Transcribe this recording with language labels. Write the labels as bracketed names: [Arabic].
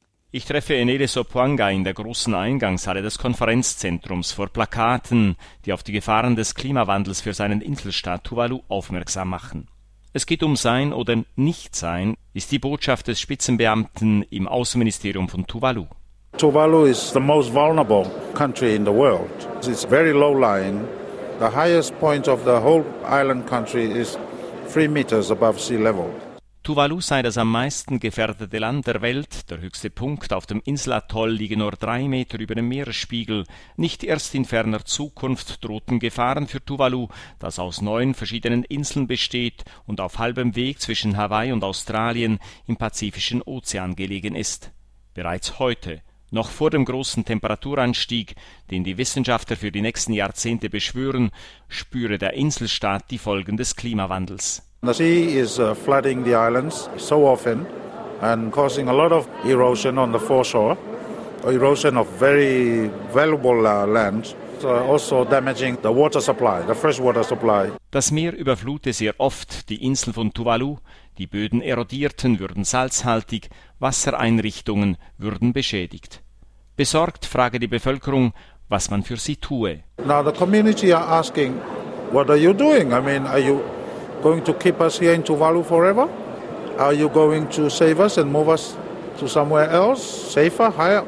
[German] Ich treffe Enele Sopoanga in der großen Eingangshalle des Konferenzzentrums vor Plakaten, die auf die Gefahren des Klimawandels für seinen Inselstaat Tuvalu aufmerksam machen. Es geht um Sein oder Nichtsein, ist die Botschaft des Spitzenbeamten im Außenministerium von Tuvalu. [English] Tuvalu is the most vulnerable country in the world. It's very low lying. The highest point of the whole island country is 3 meters above sea level. [German] Tuvalu sei das am meisten gefährdete Land der Welt. Der höchste Punkt auf dem Inselatoll liege nur 3 Meter über dem Meeresspiegel. Nicht erst in ferner Zukunft drohten Gefahren für Tuvalu, das aus 9 verschiedenen Inseln besteht und auf halbem Weg zwischen Hawaii und Australien im Pazifischen Ozean gelegen ist. Bereits heute, noch vor dem großen Temperaturanstieg, den die Wissenschaftler für die nächsten Jahrzehnte beschwören, spüre der Inselstaat die Folgen des Klimawandels. [English] The sea is flooding the islands so often and causing a lot of erosion on the foreshore, erosion of very valuable land, also damaging the water supply, the fresh water supply. [German] Das Meer überflute sehr oft die Insel von Tuvalu. Die Böden erodierten, würden salzhaltig, Wassereinrichtungen würden beschädigt. Besorgt frage die Bevölkerung, was man für sie tue. [English] Now the community are asking, what are you doing? I mean, are you going to keep us here in Tuvalu forever? Are you going to save us and move us to somewhere else, safer, higher?